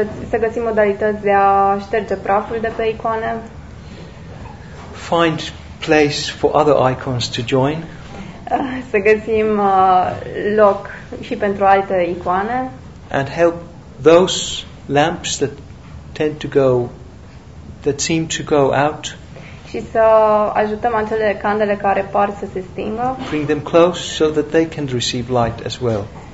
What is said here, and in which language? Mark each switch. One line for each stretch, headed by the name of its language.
Romanian: Să găsim modalități de a șterge praful de pe icoane.
English: Find place for other icons to join.
Romanian: Să găsim loc și pentru alte icoane.
English: And help those lamps that tend to go, that seem to go out.
Romanian: Și să ajutăm acele candele care par să se stingă.
English: Bring them close so that they can receive light as well.